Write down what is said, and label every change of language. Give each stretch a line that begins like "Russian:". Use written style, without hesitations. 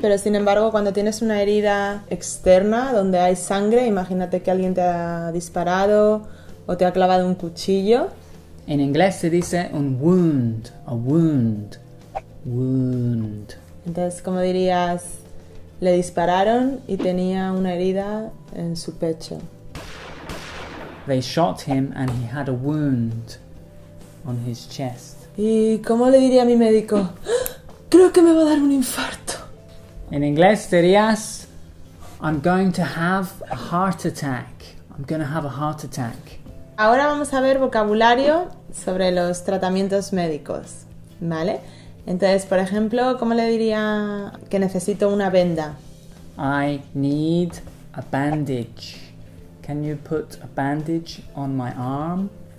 Spanish: Pero sin embargo, cuando tienes una herida externa, donde hay sangre, imagínate que alguien te ha disparado o te ha clavado un cuchillo. En inglés se dice un wound,
English: a wound,
Spanish: wound. Entonces, ¿cómo dirías? Le dispararon y tenía una herida en su pecho.
English: They shot him and he had a wound on his chest.
Spanish: ¿Y cómo le diría a mi médico? Creo que me va a dar un infarto. En inglés dirías,
English: I'm going to have a heart attack. I'm going to have a heart attack.
Spanish: Ahora vamos a ver vocabulario sobre los tratamientos médicos, ¿vale? Entonces, por ejemplo, ¿cómo le diría que necesito una venda?
English: I need a bandage. Can you put a bandage on my arm?